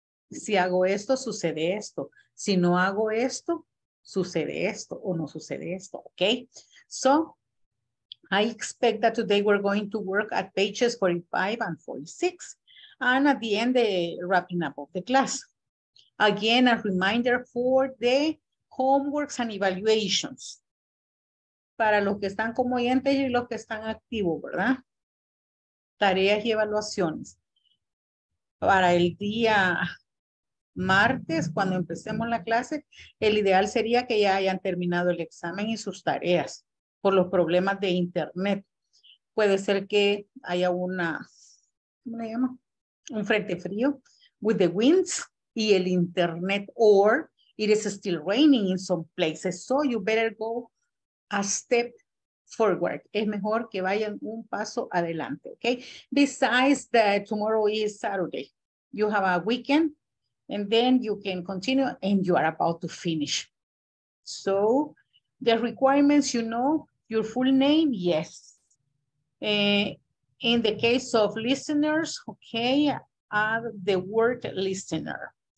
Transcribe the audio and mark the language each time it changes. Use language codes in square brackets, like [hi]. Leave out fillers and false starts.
[es] Si hago esto, sucede esto. Si no hago esto, sucede esto o no sucede esto, okay? [en] So, I expect that today we're going to work at pages 45 and 46, and at the end, the wrapping up of the class. Again, a reminder for the homeworks and evaluations. [es] Para los que están como oyentes y los que están activos, ¿verdad? Tareas y evaluaciones. Para el día martes, cuando empecemos la clase, el ideal sería que ya hayan terminado el examen y sus tareas por los problemas de internet. Puede ser que haya una, ¿cómo le llamo? Un frente frío [en] with the winds [es] y el internet, [en] or it is still raining in some places. So you better go a step forward. [es] Es mejor que vayan un paso adelante, okay? [en] Besides that, tomorrow is Saturday. You have a weekend. And then you can continue and you are about to finish. So the requirements, you know, your full name, yes. In the case of listeners, okay, add the word listener.